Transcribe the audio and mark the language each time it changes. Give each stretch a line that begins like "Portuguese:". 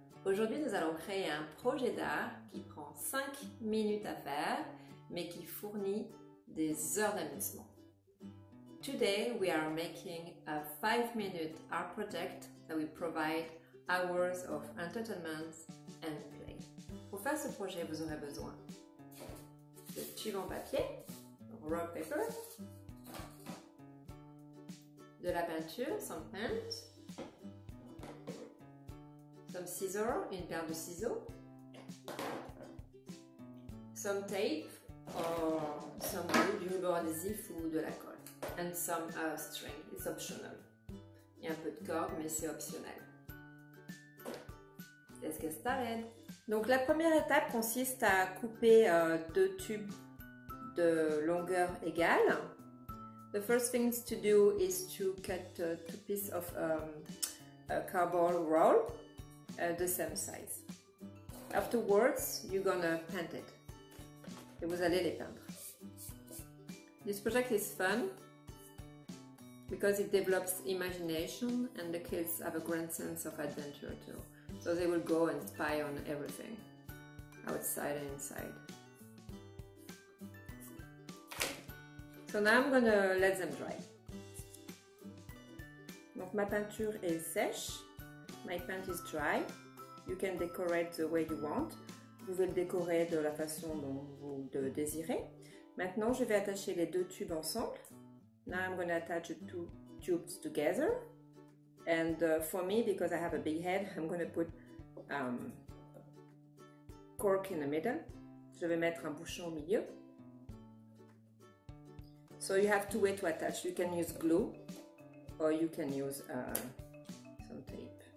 French: Aujourd'hui, nous allons créer un projet d'art qui prend 5 minutes à faire, mais qui fournit des heures d'amusement.
English: Today, we are making a 5-minute art project that will provide hours of entertainment and play.
French: Pour faire ce projet, vous aurez besoin de tube en papier,
English: rock paper,
French: de la peinture,
English: some paint, some scissors,
French: une paire de ciseaux,
English: some tape, or some glue,
French: du ruban adhésif ou de la colle,
English: and some string, it's optional.
French: Il y a un peu de corde, mais c'est optionnel.
English: Let's get started.
French: Donc la première étape consiste à couper deux tubes de longueur égale.
English: The first thing to do is to cut two pieces of a cardboard roll the same size. Afterwards, you're gonna paint it.
French: Et vous allez les peindre.
English: This project is fun because it develops imagination and the kids have a grand sense of adventure too. So they will go and spy on everything, outside and inside. So now I'm gonna let them dry.
French: Donc ma peinture est sèche.
English: My paint is dry. You can decorate the way you want.
French: Vous pouvez le décorer de la façon dont vous le désirez. Maintenant, je vais attacher les deux tubes ensemble.
English: Now I'm gonna attach the two tubes together. And for me, because I have a big head, I'm gonna put cork in the middle.
French: Je vais mettre un bouchon au milieu.
English: So you have two ways to attach. You can use glue or you can use some tape.